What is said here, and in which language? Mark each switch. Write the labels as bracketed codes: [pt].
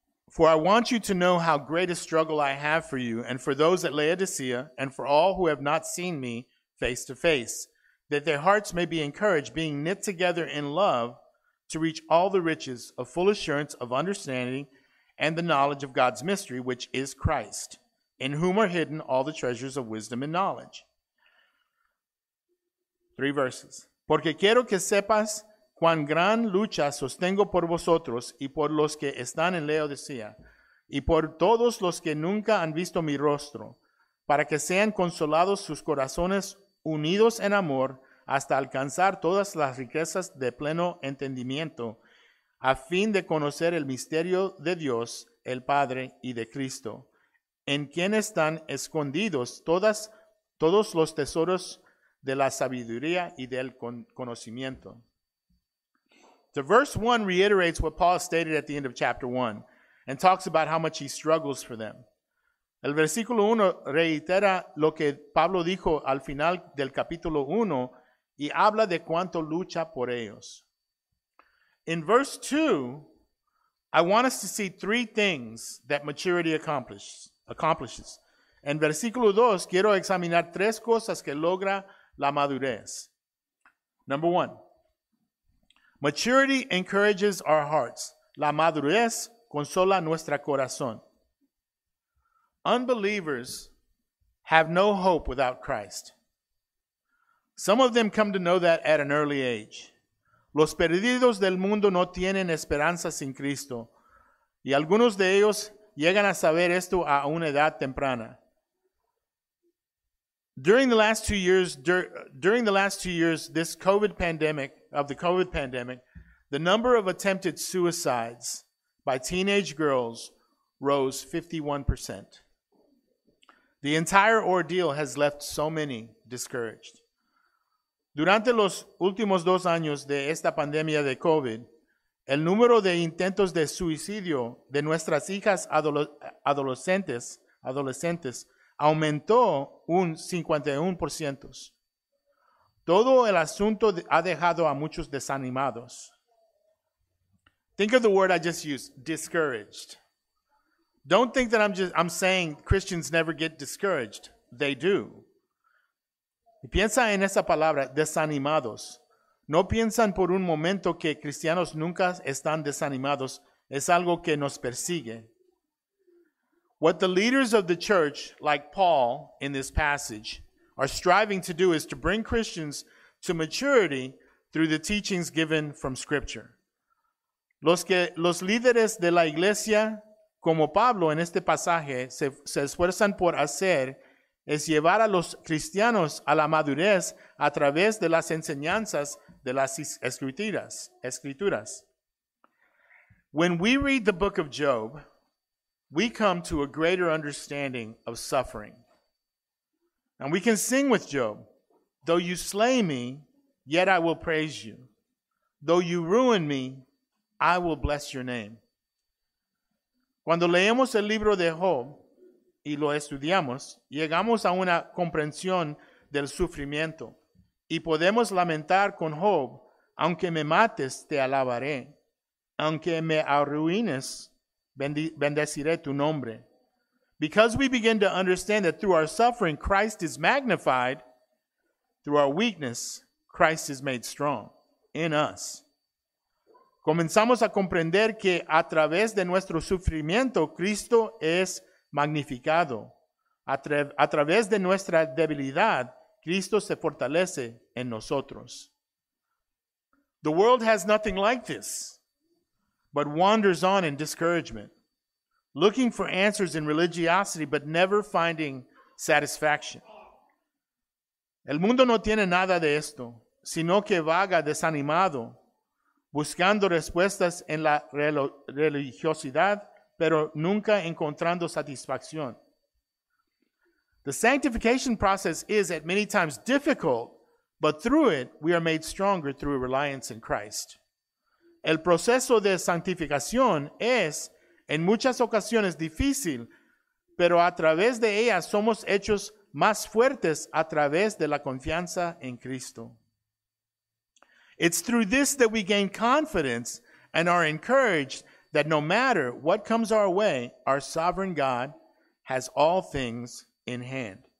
[en] For I want you to know how great a struggle I have for you and for those at Laodicea and for all who have not seen me face to face, that their hearts may be encouraged, being knit together in love, to reach all the riches of full assurance of understanding and the knowledge of God's mystery, which is Christ, in whom are hidden all the treasures of wisdom and knowledge. Three verses. [es] Porque quiero que sepas cuán gran lucha sostengo por vosotros y por los que están en Laodicea y por todos los que nunca han visto mi rostro, para que sean consolados sus corazones unidos en amor hasta alcanzar todas las riquezas de pleno entendimiento, a fin de conocer el misterio de Dios, el Padre y de Cristo, en quien están escondidos todos los tesoros de la sabiduría y del conocimiento. [en] The verse 1 reiterates what Paul stated at the end of chapter 1 and talks about how much he struggles for them. [es] El versículo 1 reitera lo que Pablo dijo al final del capítulo 1 y habla de cuánto lucha por ellos. [en] In verse 2, I want us to see three things that maturity accomplishes. [es] En versículo 2, quiero examinar tres cosas que logra la madurez. [en] Number 1. Maturity encourages our hearts. [es] La madurez consola nuestro corazón. [en] Unbelievers have no hope without Christ. Some of them come to know that at an early age. [es] Los perdidos del mundo no tienen esperanza sin Cristo. Y algunos de ellos llegan a saber esto a una edad temprana. [en] During the last two years, the COVID pandemic, the number of attempted suicides by teenage girls rose 51%. The entire ordeal has left so many discouraged. [es] Durante los últimos dos años de esta pandemia de COVID, el número de intentos de suicidio de nuestras hijas adolescentes aumentó un 51%. Todo el asunto ha dejado a muchos desanimados. [en] Think of the word I just used, discouraged. Don't think that I'm saying Christians never get discouraged. They do. [es] Y piensa en esa palabra, desanimados. No piensan por un momento que cristianos nunca están desanimados. Es algo que nos persigue. [en] What the leaders of the church, like Paul in this passage, are striving to do is to bring Christians to maturity through the teachings given from Scripture. [es] Los líderes de la iglesia, como Pablo en este pasaje, se esfuerzan por hacer es llevar a los cristianos a la madurez a través de las enseñanzas de las escrituras. [en] When we read the book of Job, we come to a greater understanding of suffering. And we can sing with Job, though you slay me, yet I will praise you. Though you ruin me, I will bless your name. [es] Cuando leemos el libro de Job y lo estudiamos, llegamos a una comprensión del sufrimiento. Y podemos lamentar con Job, aunque me mates, te alabaré. Aunque me arruines, bendeciré tu nombre. [en] Because we begin to understand that through our suffering, Christ is magnified. Through our weakness, Christ is made strong in us. [es] Comenzamos a comprender que a través de nuestro sufrimiento, Cristo es magnificado. A través de nuestra debilidad, Cristo se fortalece en nosotros. [en] The world has nothing like this, but wanders on in discouragement, looking for answers in religiosity, but never finding satisfaction. [es] El mundo no tiene nada de esto, sino que vaga desanimado, buscando respuestas en la religiosidad, pero nunca encontrando satisfacción. [en] The sanctification process is at many times difficult, but through it, we are made stronger through reliance in Christ. [es] El proceso de santificación es, en muchas ocasiones, difícil, pero a través de ella somos hechos más fuertes a través de la confianza en Cristo. [en] It's through this that we gain confidence and are encouraged that no matter what comes our way, our sovereign God has all things in hand.